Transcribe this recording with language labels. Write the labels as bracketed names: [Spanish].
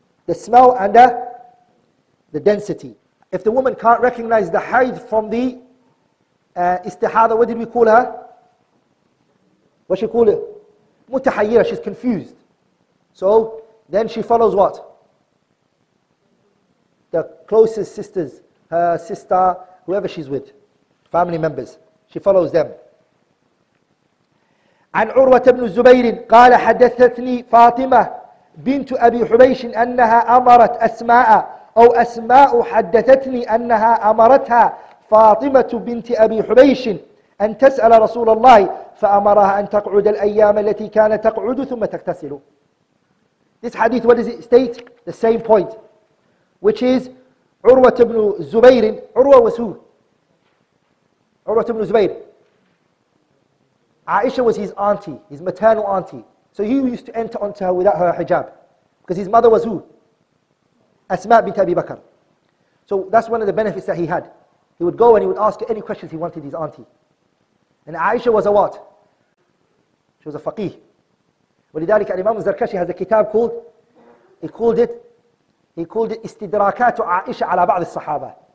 [English] the smell and the density. If the woman can't recognize the hayd from the istihada, what did we call her? What she call it? Mutahayyira, she's confused. So then she follows what? The closest sisters, her sister, whoever she's with, family members. She follows them. [Arabic] عن عروة بن الزبير قال حدثتني فاطمة بنت أبي حبيش أنها أمرت أسماء أو أسماء حدثتني أنها أمرتها فاطمة بنت أبي حبيش أن تسأل رسول الله فأمرها أن تقعد الأيام التي كانت تقعد ثم تغتسل. [English] This hadith, what does it state? The same point, which is عروة بن الزبير. عروة was who? عروة بن الزبير. Aisha was his auntie, his maternal auntie. So he used to enter onto her without her hijab. Because his mother was who? Asma bint Abi Bakr. So that's one of the benefits that he had. He would go and he would ask any questions he wanted his auntie. And Aisha was a what? She was a faqih. ولذلك الإمام الزركشي has a kitab called, he called it استدراكات عائشة على بعض الصحابة.